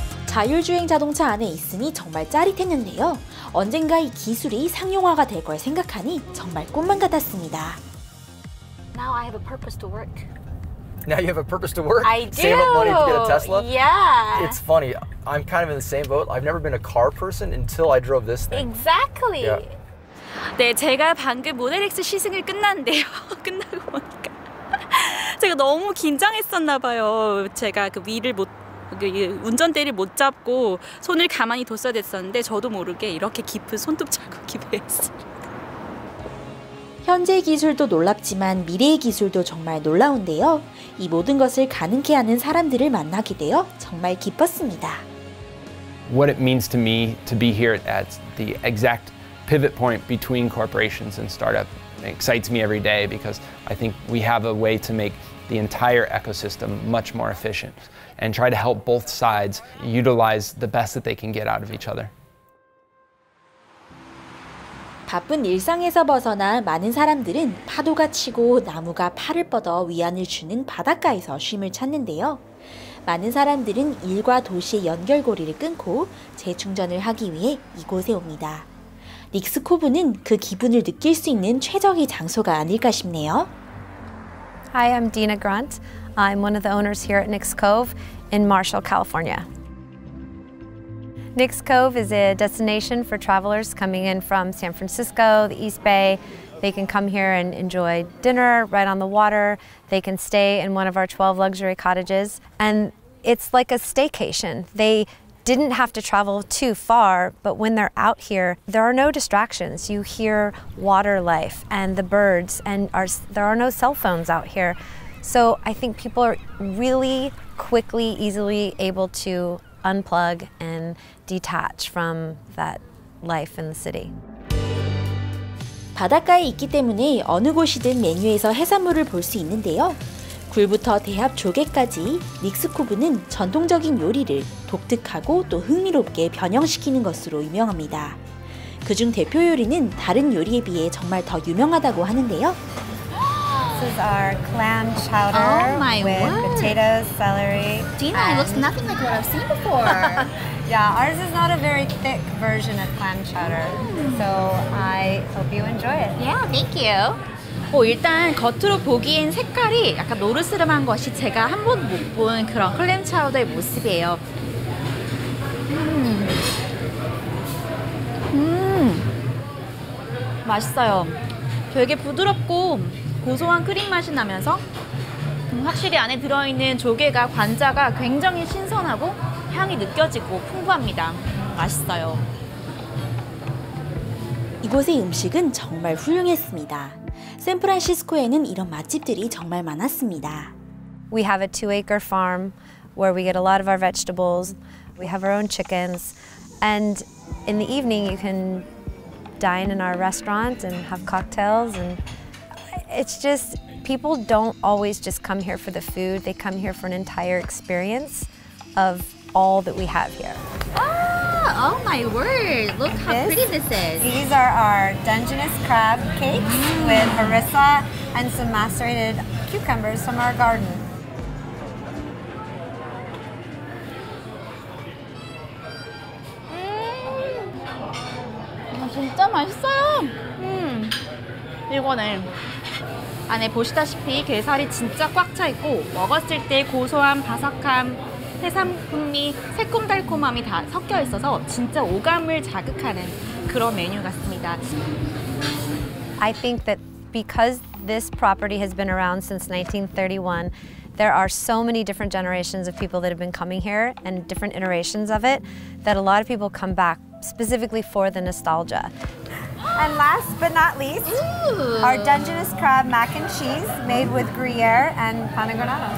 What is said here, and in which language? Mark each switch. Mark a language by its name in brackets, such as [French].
[Korean] 자율주행 자동차 안에 있으니 정말 짜릿했는데요. 언젠가 이 기술이 상용화가 될 걸 생각하니 정말 꿈만 같았습니다. [English] Now I have a purpose to work. Now you have a purpose to work? I do. Save up money to get a Tesla? Yeah. It's funny. I'm kind of in the same boat. I've never been a car person until I drove this thing. Exactly. Yeah. [Korean] 네, 제가 방금 모델 X 시승을 끝났는데요. 끝나고 보니까 제가 너무 긴장했었나 봐요. 제가 그 위를 못 운전대를 못 잡고 손을 가만히 뒀어야 됐었는데 저도 모르게 이렇게 깊은 손톱 자국이 보였습니다. 현재 기술도 놀랍지만 미래의 기술도 정말 놀라운데요. 이 모든 것을 가능케 하는 사람들을 만나게 되어 정말 기뻤습니다. [English] What it means to me to be here at the exact pivot point between corporations and startup excites me every day because I think we have a way to make the entire ecosystem much more efficient and try to help both sides utilize the best that they can get out of each other. [Korean] 바쁜 일상에서 벗어나 많은 사람들은 파도가 치고 나무가 팔을 뻗어 위안을 주는 바닷가에서 쉼을 찾는데요. 많은 사람들은 일과 도시의 연결고리를 끊고 재충전을 하기 위해 이곳에 옵니다. 닉스코브는 그 기분을 느낄 수 있는 최적의 장소가 아닐까 싶네요. [English] Hi, I'm Dina Grant. I'm one of the owners here at Nick's Cove in Marshall, California. Nick's Cove is a destination for travelers coming in from San Francisco, the East Bay. They can come here and enjoy dinner right on the water. They can stay in one of our 12 luxury cottages. And it's like a staycation. They didn't have to travel too far, but when they're out here, there are no distractions. You hear water life and the birds, and there are no cell phones out here. So I think people are really quickly, easily able to unplug and detach from that life in the city. [Korean] 바닷가에 있기 때문에 어느 곳이든 메뉴에서 해산물을 볼 수 있는데요. 굴부터 대합 조개까지 닉스코브는 전통적인 요리를 독특하고 또 흥미롭게 변형시키는 것으로 유명합니다. 그중 대표 요리는 다른 요리에 비해 정말 더 유명하다고 하는데요. [English] This is our clam chowder potatoes, celery. Dina, it looks nothing like what I've seen before. Yeah, ours is not a very thick version of clam chowder. So I hope you enjoy it. Yeah, thank you. [Korean] 일단 겉으로 보기엔 색깔이 약간 노르스름한 것이 제가 한 번 못 본 그런 클램 차우더의 모습이에요. 맛있어요. 되게 부드럽고 고소한 크림 맛이 나면서 확실히 안에 들어있는 조개가 관자가 굉장히 신선하고 향이 느껴지고 풍부합니다. 맛있어요. 이곳의 음식은 정말 훌륭했습니다. 샌프란시스코에는 이런 맛집들이 정말 많았습니다. [English] We have a 2-acre farm where we get a lot of our vegetables. We have our own chickens. And in the evening you can dine in our restaurant and have cocktails. And it's just, people don't always just come here for the food. They come here for an entire experience of all that we have here. Oh my word, look how pretty this is. These are our Dungeness crab cakes with harissa and some macerated cucumbers from our garden. [Korean] 진짜 맛있어요. 이거는 안에 보시다시피 게살이 진짜 꽉 차 있고 먹었을 때 고소한 바삭함 해산 풍미, 새콤달콤함이 다 섞여 있어서 진짜 오감을 자극하는 그런 메뉴 같습니다. [English] I think that because this property has been around since 1931, there are so many different generations of people that have been coming here and different iterations of it that a lot of people come back specifically for the nostalgia. And last but not least, our Dungeness crab mac and cheese made with Gruyere and pan granado.